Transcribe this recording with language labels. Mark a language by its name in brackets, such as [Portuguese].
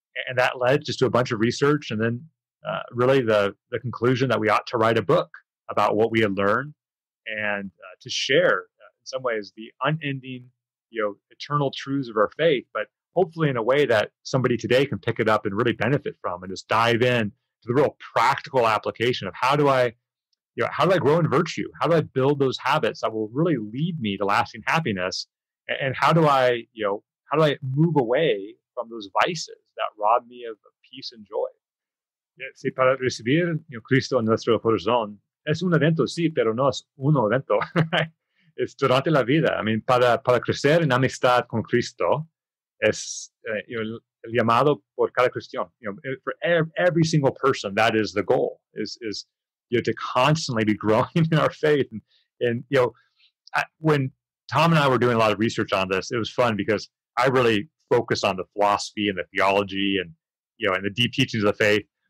[English] And that led just to a bunch of research and then really the conclusion that we ought to write a book about what we had learned and to share in some ways the unending, eternal truths of our faith, but hopefully in a way that somebody today can pick it up and really benefit from and just dive in to the real practical application of how do I grow in virtue? How do I build those habits that will really lead me to lasting happiness? And how do I move away from those vices that rob me of peace and joy? [Spanish] Si para recibir, Cristo en nuestro corazón, es un evento, sí, pero no es un evento. Es durante la vida. [English] I mean, [Spanish] para crecer en amistad con Cristo, es el llamado por cada cristiano. [English] For every single person, that is the goal, is to constantly be growing in our faith. When Tom and I were doing a lot of research on this, it was fun because I really focused on the philosophy and the theology and the deep teachings of the faith.